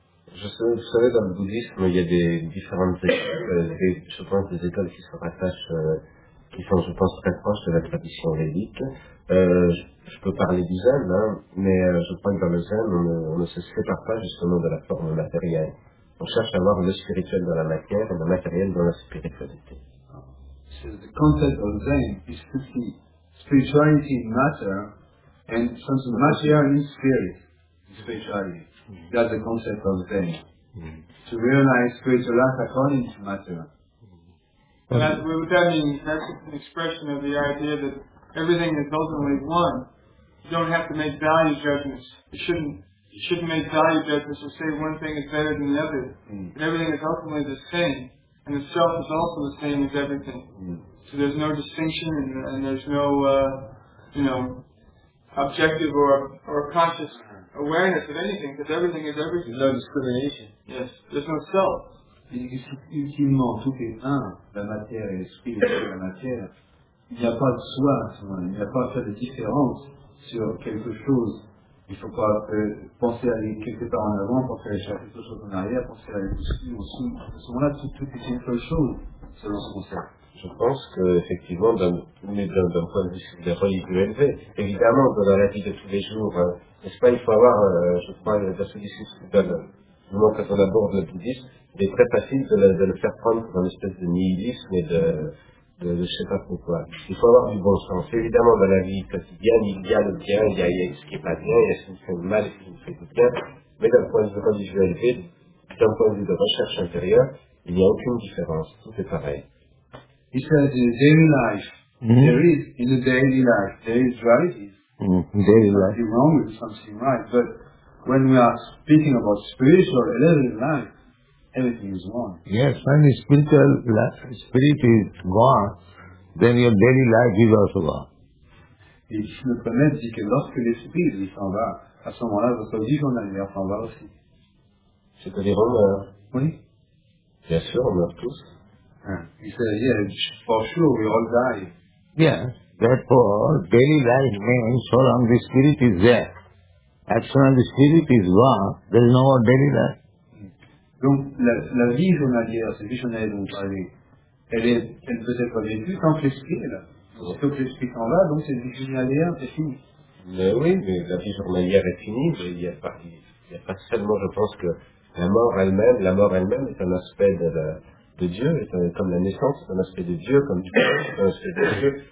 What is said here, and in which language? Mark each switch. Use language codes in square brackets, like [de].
[fr] Vous savez, dans le bouddhisme, il y a des différentes des écoles qui se rattachent, qui sont, je pense, très proches de la tradition védique. Je peux parler du zen, hein, mais je crois que dans le zen, on ne se sépare pas justement de la forme matérielle. On cherche à voir le spirituel dans la matière et le matériel dans la spiritualité. [en] So the concept of Zen is to see spirituality in matter and something material in spirit, spirituality. Mm-hmm. That's the concept of Zen. Mm-hmm. To realize spiritual life according to matter. Mm-hmm. And that, what that means, that's an expression of the idea that everything is ultimately one. You don't have to make value judgments. You shouldn't make value judgments or say one thing is better than the other. Mm. But everything is ultimately the same, and the self is also the same as everything. Mm. So there's no distinction, and there's no, objective or conscious awareness of anything, because everything is everything. There's no discrimination. Yes, there's no self. [fr] Ultimement, tout est un, la matière et l'esprit de la matière. Il n'y a pas de soi, il n'y a pas à faire de différence sur quelque chose. Il ne faut pas penser à aller quelque part en avant, penser à aller chercher quelque chose en arrière, penser à aller aussi. À ce moment-là, tout est une seule chose, selon ce concept. Je pense qu'effectivement, d'un point de vue des religieux élevés, évidemment, dans la vie de tous les jours, n'est-ce pas, il faut avoir, je crois, dans ce discours, quand on aborde le bouddhisme, il est très facile de le faire prendre dans une espèce de nihilisme et de je ne sais pas pourquoi. Il faut avoir du bon sens. Évidemment, dans la vie quotidienne, il y a le bien, il y a ce qui n'est pas bien, il y a ce qui fait du mal et ce qui ne fait du bien. Mais d'un point de vue religieux élevé, d'un point de vue de recherche intérieure, il n'y a aucune différence. Tout est pareil. [en] He says in the daily life, there is, in the daily life, there is dualities. Daily life. Something wrong with something right. But when we are speaking about spiritual elevated life, everything is gone. Yes, when spiritual life, spirit is gone, then your daily life is also gone. [fr] Et le prophète dit que lorsque l'esprit s'en va, à ce moment-là, votre vie en arrière s'en va aussi. C'est-à-dire on meurt. Oui. Bien sûr, on meurt tous. Il s'est dit, [en] for sure, we all die. Yes, therefore, daily life means so long the spirit is there. As soon as the spirit is gone, there is no more daily life. [fr] Donc la vie journalière, cette vie journalière dont vous parlez, elle peut être vécue tant que l'esprit est là. Surtout que l'esprit s'en va, donc cette vie journalière est finie. Mais oui, mais la vie journalière est finie. Il n'y a pas seulement, je pense que la mort elle-même est un aspect de Dieu, comme la naissance, un aspect de Dieu, comme du Père, c'est un aspect de Dieu.